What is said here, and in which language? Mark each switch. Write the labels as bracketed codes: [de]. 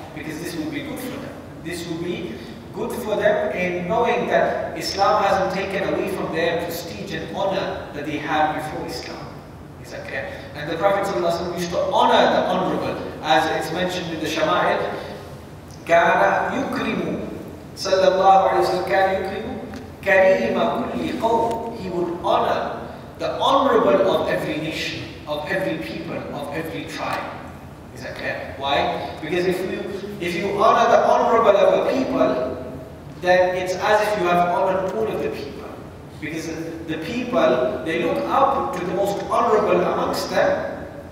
[en] Because this would be good for them. This would be good for them in knowing that Islam hasn't taken away from their prestige and honor that they had before Islam. Is that clear? And the Prophet ﷺ used to honor the honorable, as it's mentioned in the Shama'il. [ar] كَانَ يُكْرِمُ sallallahu alayhi wa sallam, كَانَ يُكْرِمُ كَرِيمَ كُلِّ قَوْمٍ. [en] He would honor the honorable of every nation, of every people, of every tribe. Is that clear? Why? Because if you honor the honorable of a people, then it's as if you have honored all of the people. Because the people, they look up to the most honorable amongst them.